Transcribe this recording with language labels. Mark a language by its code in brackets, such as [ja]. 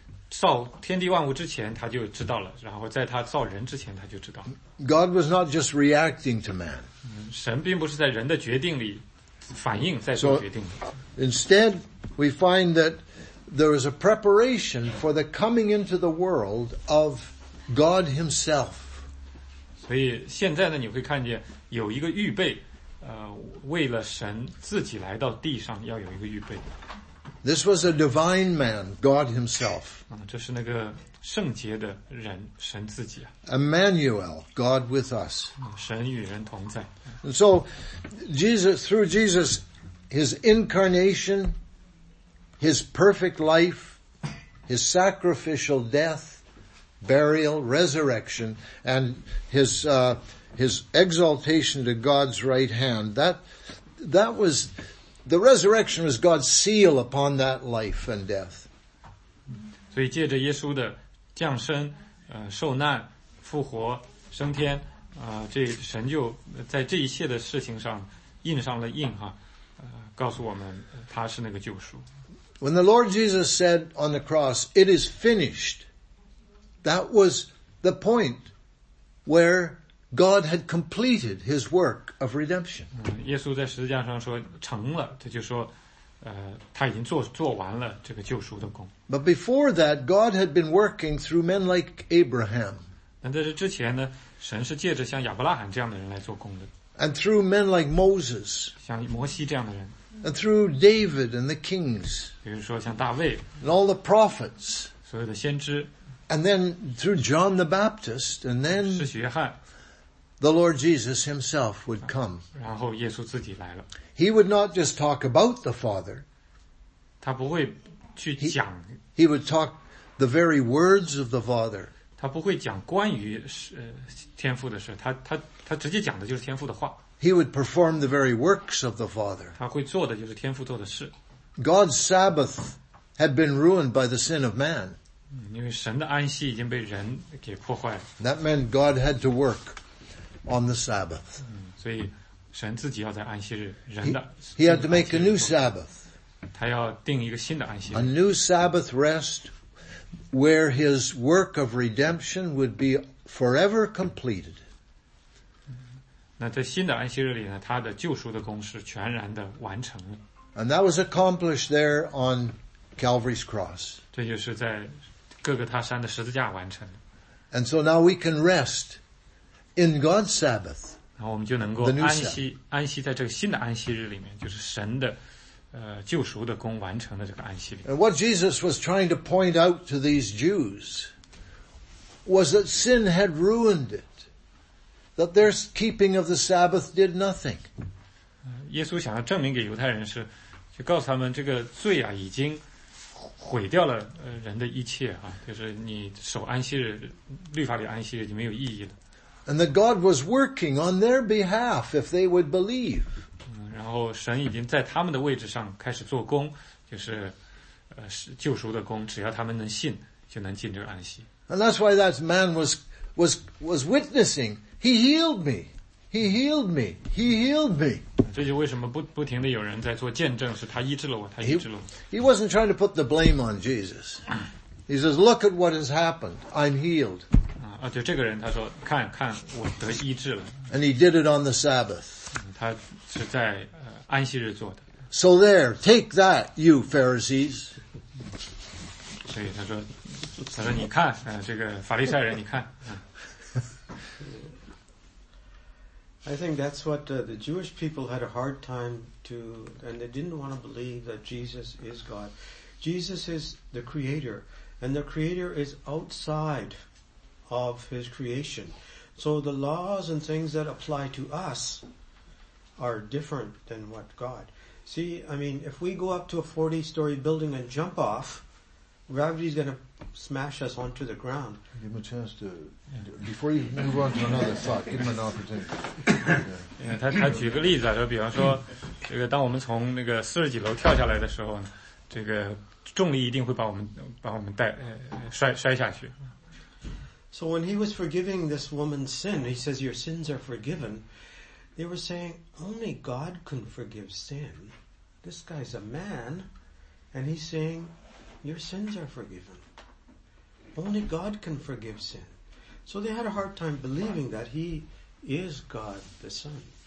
[zh] 造天地万物之前他就知道了，然后在他造人之前他就知道了。 [en] God was not just reacting to man. [zh] 神并不是在人的决定里反应在做决定的。 [en] So, instead, we find that there is a preparation for the coming into the world of God himself. [zh] 所以现在呢，你会看见有一个预备，为了神自己来到地上要有一个预备。 [en] This was a divine man, God himself. [zh] 这是那个圣洁的人，神自己啊。 [en] Emmanuel, God with us. [zh] 神与人同在。 [en] And so, Jesus, through Jesus, his incarnation, his perfect life, his sacrificial death, burial, resurrection, and his exaltation to God's right hand, that was the resurrection was God's seal upon that life and death. [zh] 所以借着耶稣的降生、受难、复活、升天、这神就在这一切的事情上印上了印哈、告诉我们他是那个救赎。 [en] When the Lord Jesus said on the cross, "It is finished," that was the point where God had completed His work of redemption. [zh] 耶稣在十字架上说成了，他就说，他已经做完了这个救赎的工。 [en] But before that, God had been working through men like Abraham. [zh] 那在这之前呢，神是借着像亚伯拉罕这样的人来做工的。 [en] And through men like Moses. [zh] 像摩西这样的人。 [en] And through David and the kings. [zh] 比如说像大卫。 [en] And all the prophets. [zh] 所有的先知。 [en] And then through John the Baptist, and then [zh] 使徒约翰。 [en] The Lord Jesus himself would come. [zh] 然后耶稣自己来了。 [en] He would not just talk about the Father. [zh] 他不会去讲。 [en] He would talk the very words of the Father. [zh] 他不会讲关于天父的事，他直接讲的就是天父的话。 [en] He would perform the very works of the Father. [zh] 他会做的就是天父做的事。 [en] God's Sabbath had been ruined by the sin of man. [zh] 因为神的安息已经被人给破坏了。 [en] That meant God had to work on the Sabbath. [zh] 所以神自己要在安息日人的 [en] he had to make a new Sabbath. [zh] 他要定一个新的安息日。 [en] A new Sabbath rest where his work of redemption would be forever completed. [zh] 那在新的安息日里呢，他的救赎的工是全然的完成了。 [en] And that was accomplished there on Calvary's cross. [zh] 这就是在哥哥他山的十字架完成的。 [en] And so now we can rest in God's Sabbath. [zh] 然后我们就能够安息在这个新的安息日里面，就是神的救赎的工完成的这个安息里。 [en] And what Jesus was trying to point out to these Jews was that sin had ruined it, that their keeping of the Sabbath did nothing. [zh] 耶稣想要证明给犹太人是，就告诉他们这个罪啊已经毁掉了人的一切啊，就是你守安息日，律法里安息日就没有意义了。 [en] And that God was working on their behalf if they would believe. [zh] 然后神已经在他们的位置上开始做工，就是救赎的工，只要他们能信就能进这个安息。 [en] And that's why that man was witnessing. He healed me. He healed me. He healed me. [zh] 这就为什么不停地有人在做见证，是他医治了我，他医治了我。 [en] He wasn't trying to put the blame on Jesus. He says, look at what has happened. I'm healed. [zh] 就这个人他说看看我得医治了。 [en] And he did it on the Sabbath. [zh] 他是在安息日做的。 [en] So there, take that, you Pharisees. [zh] 所以他说你看这个法利赛人你看。 [en] I think that's what the Jewish people had a hard time to, and they didn't want to believe that Jesus is God. Jesus is the creator, and the creator is outside of his creation. So the laws and things that apply to us are different than what God. See, I mean, if we go up to a 40-story building and jump off, gravity's going to smash us onto the ground. Give him a chance to, before you move on to another thought, give him an opportunity. [zh] 他举个例子啊，就比方说，这个当我们从那个四十几楼跳下来的时候呢，这个重力一定会把我们带摔下去。 [en] So when he was forgiving this woman's sin, he says, your sins are forgiven. They were saying, only God can forgive sin. This guy's a man. And he's saying, your sins are forgiven. Only God can forgive sin. So they had a hard time believing that he is God the Son.